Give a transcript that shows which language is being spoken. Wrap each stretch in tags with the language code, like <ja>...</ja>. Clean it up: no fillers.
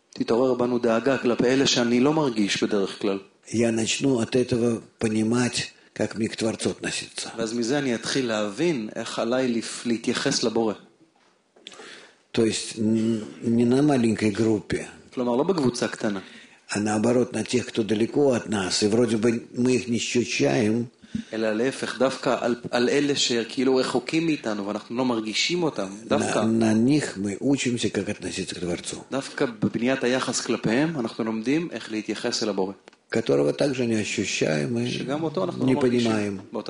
<he>תתעורר בנו דאגה כלפי אלה שאני לא מרגיש בדרך כלל.</he> <ru>Я начну от этого понимать, как мне к Творцу относиться.</ru> <he>ואז מזה אני אתחיל להבין איך עליי להתייחס לבורא.</he> <ru>То есть не на маленькой группе.</ru> <he>כלומר, לא בקבוצה קטנה.</he> <ru>А наоборот, на тех, кто далеко от нас, и вроде бы мы их не ощущаем.</ru> <he>אלא להפך, דווקא על אלה שכאילו רחוקים מאיתנו ואנחנו לא מרגישים אותם, דווקא.</he> <ru>На них мы учимся, как относиться к Творцу.</ru> <he>דווקא בבניית היחס כלפיהם אנחנו לומדים איך להתייחס אל הבורא.</he> <ru>Которого также не ощущаем и не понимаем.</ru>